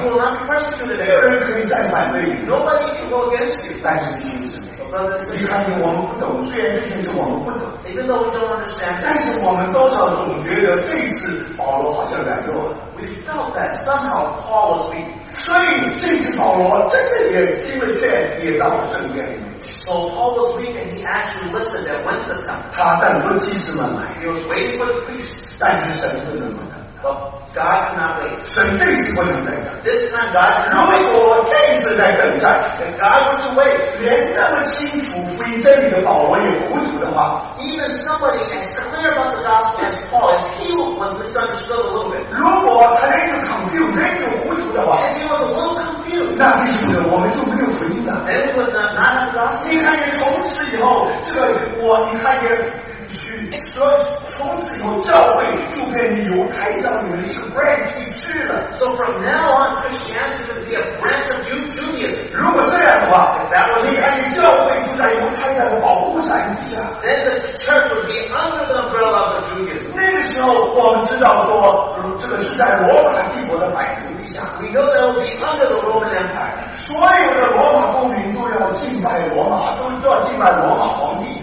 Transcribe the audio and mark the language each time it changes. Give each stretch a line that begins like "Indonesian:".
English: You will not be persecuted.
Chinese: 没有人可以再反对你。
English: Nobody can go against you.
Chinese: 但是你是。你看见我们不懂，虽然之前是我们不懂
English: ，Even though we don't understand，
Chinese: 但是我们多少总觉得这一次保罗好像软弱了。
English: We felt that somehow Paul was weak，
Chinese: 所以这次保罗真的也听了劝，也到了圣殿里面。
English: So Paul was weak and he actually listened at Wednesday time。
Chinese: 他等着祭司们来。
English: He was waiting for the priest，
Chinese: 但是神不能等。
English: God cannot wait.
Chinese: 神这一次不能再等。
English: This time God cannot wait.
Chinese: 如果这一次再等下去
English: ，If God were to wait,
Chinese: 连那么清楚福音真理的保罗也糊涂的话
English: ，Even somebody as clear about the gospel as Paul, if he was misunderstood a little bit,
Chinese: 如果他连个 confused 连个糊涂的话
English: ，If he was a little confused,
Chinese: 那弟兄们我们就没有福音了。
English: Then we would not have the gospel.
Chinese: 你看见从此以后，这个我你看见。所以从此以后教会就变成犹太教里面的一个 branch 一支了。
English: So from now on, Christianity will be a branch of Judaism.
Chinese: 如果这样的话
English: ，That would mean
Chinese: 你教会就在犹太教的保护伞底下。
English: Then the church would be under the umbrella of Judaism.
Chinese: 那个时候我们知道说，这个是在罗马帝国的版图底下。
English: We know that would be under the Roman Empire.
Chinese: 所有的罗马公民都要敬拜罗马，都要敬拜罗马皇帝。